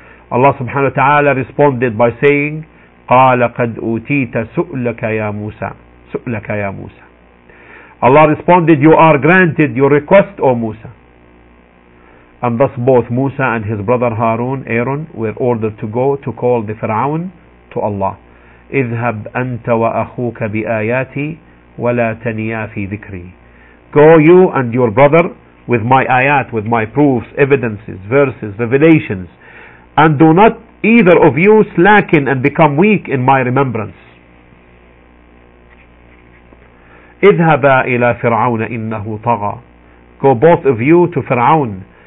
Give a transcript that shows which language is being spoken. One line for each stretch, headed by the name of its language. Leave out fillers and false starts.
English: Allah subhanahu wa ta'ala responded by saying,
Arabic: قَالَ قَدْ أُوتِيتَ سُؤْلَكَ يَا مُوسَى سُؤْلَكَ يَا مُوسَى.
English: Allah responded, You are granted your request, O Musa. And thus both Musa and his brother Harun, Aaron, were ordered to go to call the Fir'aun to Allah.
Arabic: اذهب أنت وأخوك بآياتي ولا تنيا في ذكري.
English: Go you and your brother with my ayat, with my proofs, evidences, verses, revelations, and do not either of you slacken and become weak in my remembrance.
Arabic: اذهبا إلى فرعون إنه طغى.
English: Go both of you to Fir'aun.